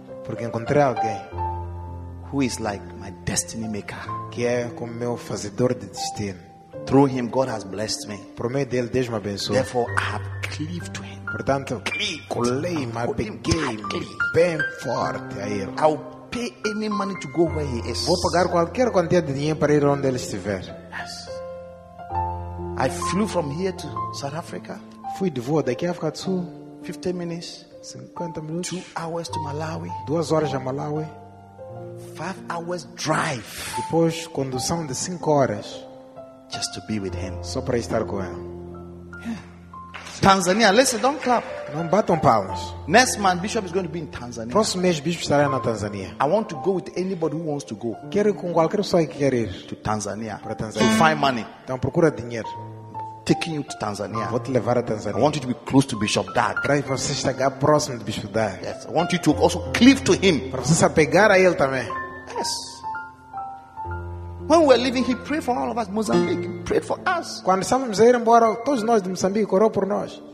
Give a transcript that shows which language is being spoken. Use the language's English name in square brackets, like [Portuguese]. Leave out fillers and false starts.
[Portuguese] Porque encontrei alguém. [English] Who is like my destiny maker. [Portuguese] Que é como meu fazedor de destino. [English] Through him, God has blessed me. [Portuguese] Por meio dele, Deus me abençoou. [English] Therefore, I have cleaved to him. [Portuguese] Portanto, colei, me apeguei bem forte a ele. [English] I will pay any money to go where he is. [Portuguese] Vou pagar qualquer quantia de dinheiro para ir onde ele estiver. [English] Yes. I flew from here to South Africa. [Portuguese] Fui de voo daqui a África do Sul. [English] 15 minutes. 50 minutes. 2 hours to Malawi. [Portuguese] 2 horas a Malawi. [English] 5 hours drive. [Portuguese] Depois condução de 5 horas. [English] Just to be with him. [Portuguese] Só para estar com ele. [English] Tanzania, listen, don't clap. [Portuguese] Não batam palmas. [English] Next month, Bishop is going to be in Tanzania. [Portuguese] Próximo mês, Bishop estará na Tanzania. [English] I want to go with anybody who wants to go. [Portuguese] Quero com qualquer pessoa que quer ir. [English] To Tanzania. [Portuguese] Para Tanzania. [English] To find money. [Portuguese] Então procura dinheiro. [English] Taking you to Tanzania. [Portuguese] Vou te levar a Tanzania. [English] I want you to be close to Bishop Dag. [Portuguese] Para você chegar próximo de Bishop Dag. [English] Yes, I want you to also cleave to him. [Portuguese] Para você se apegar a ele também. [English] Yes. When we were leaving, he prayed for all of us. Mozambique, he prayed for us. [Portuguese] Quando estávamos a ir embora, todos nós de Moçambique orou por nós.